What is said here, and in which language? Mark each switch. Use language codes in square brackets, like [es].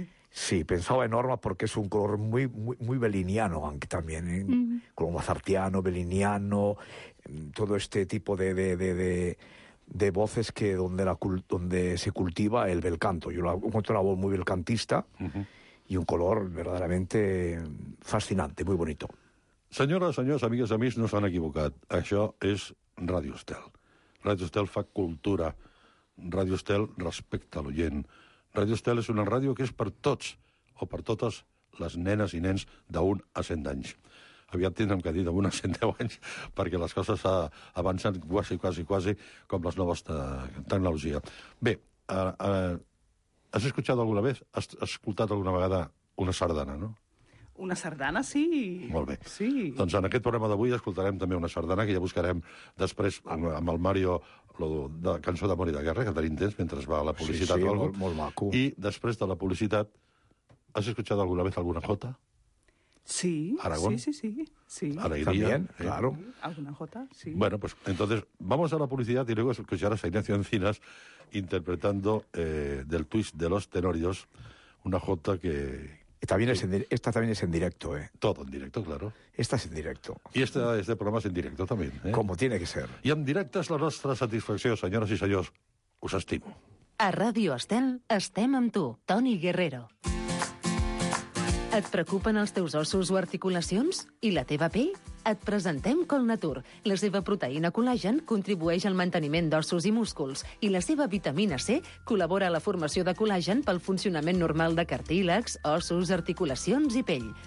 [es] Sí, [ca] pensava en Norma perquè és un color [es] muy, muy, muy belliniano, aunque también, color mozartiano, belliniano, todo este tipo de voces que donde se cultiva el bel canto. Yo lo encuentro una voz muy belcantista y un color verdaderamente fascinante, muy bonito. [ca] Senyores, senyors, amigues, amics, no s'han equivocat. Això és Radio Estel. Radio Estel fa cultura. Radio Estel respecta l'oient. Radio Estel és una ràdio que és per tots, o per totes les nenes i nens d'un a 100 anys. Aviat tindrem que dir d'un a 110 anys, perquè les coses avancen quasi com les noves tecnologies. Bé, has escoltat alguna vegada, has escoltat alguna vegada una sardana, no? Una sardana, sí. Molt bé. Sí. Doncs en aquest programa d'avui escoltarem també una sardana, que ja buscarem després amb el Mario de Cançó d'Amor i de Guerra, que tenim temps mentre va a la publicitat. Sí, molt maco. I després de la publicitat, has escoltat alguna vegada alguna jota? Sí. Aragón? Sí. Alegria? També, claro. Alguna jota, sí. [es] Bueno, pues entonces, vamos a la publicitat i luego escucharás a Ignacio Encinas interpretando del twist de los tenorios una jota que... Esta también es en directo, ¿eh? Todo en directo, claro. Esta es en directo. Y este programa es en directo también, ¿eh? Como tiene que ser. Y en directo es la nuestra satisfacción, señoras y señores. Os estimo. [ca] A Radio Estel estem amb tu, Toni Guerrero. Et preocupen els teus ossos o articulacions? I la teva pell? Et presentem Colnatur. La seva proteïna col·làgen contribueix al manteniment d'ossos i músculs i la seva vitamina C col·labora a la formació de col·làgen pel funcionament normal de cartílags, ossos, articulacions i pell.